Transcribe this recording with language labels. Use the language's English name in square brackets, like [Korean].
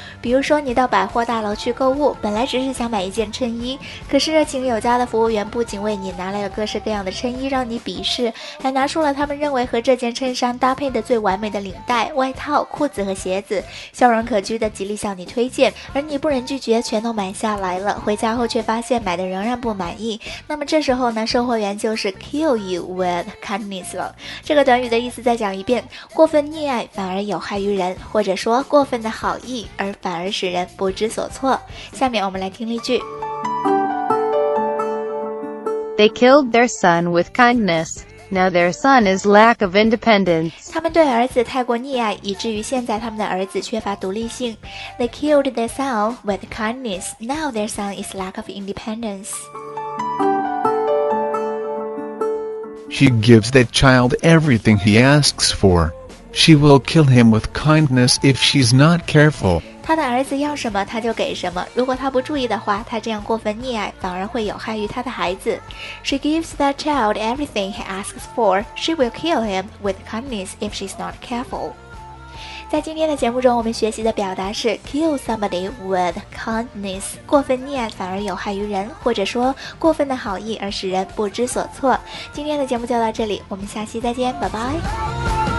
[Chinese] 比如说你到百货大楼去购物，本来只是想买一件衬衣，可是热情有加的服务员不仅为你拿来了各式各样的衬衣让你鄙视，还拿出了他们认为和这件衬衫搭配的最完美的领带、外套、裤子和鞋子，笑容可掬的极力向你推荐，而你不忍拒绝全都买下来了，回家后却发现买的仍然不满意。那么这时候呢，售货员就是 [English] kill you with kindness [Chinese] 了。这个短语的意思再讲一遍，过分溺爱反而有害于人，或者说过分的好意而反而使人不知所措。下面我们来听例句。 [English] They killed their son with kindness. Now their son is lack of independence. [Chinese] 他们对儿子太过溺爱，以至于现在他们的儿子缺乏独立性。 [English] They killed their son with kindness. Now their son is lack of independence. She gives that child everything he asks for. She will kill him with kindness if she's not careful. [Chinese] 他的儿子要什么他就给什么，如果他不注意的话，他这样过分溺爱反而会有害于他的孩子。 [English] She gives that child everything he asks for. She will kill him with kindness if she's not careful. [Chinese] 在今天的节目中我们学习的表达是 [English] kill somebody with kindness， [Chinese] 过分溺爱反而有害于人，或者说过分的好意而使人不知所措。今天的节目就到这里，我们下期再见，拜拜。